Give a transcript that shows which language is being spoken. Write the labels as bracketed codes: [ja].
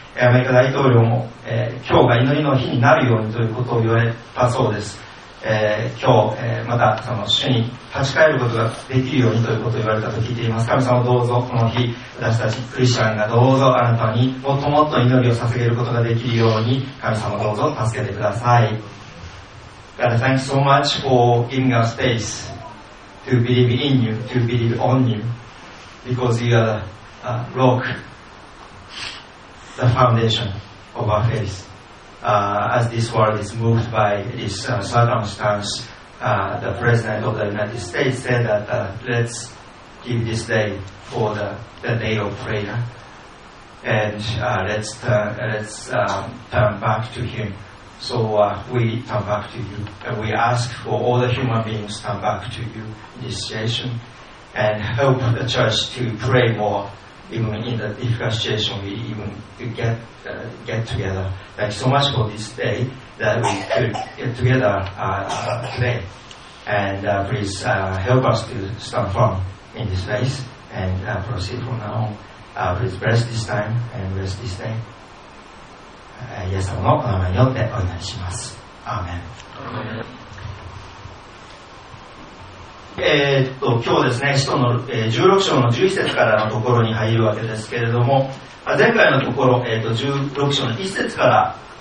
[ja] アメリカ大統領も、今日が祈りの日になるようにということを言われたそうです。今日、またその主に立ち返ることができるようにということを言われたと聞いています。神様、どうぞこの日、私たちクリスチャンがどうぞあなたにもっともっと祈りを捧げることができるように、神様どうぞ助けてください。 [en] God, thank you so much for giving us space to believe in you, to believe on you, because you are the rock, the foundation of our faithas this world is moved by this circumstance. The President of the United States said that let's give this day for the day of prayer, and let's turn back to Him. So we turn back to You, and we ask for all the human beings to turn back to You in this situation, and help the church to pray more. Even in the difficult situation, we even get together. Thank you so much for this day that we could get together today. And please help us to stand firm in this place and proceed from now on. Please bless this time and bless this day. [ja] イエス様のお名前によってお祈りします。アーメン。今日ですね、使徒の16章の11節からのところに入るわけですけれども、前回のところ、16章の1節から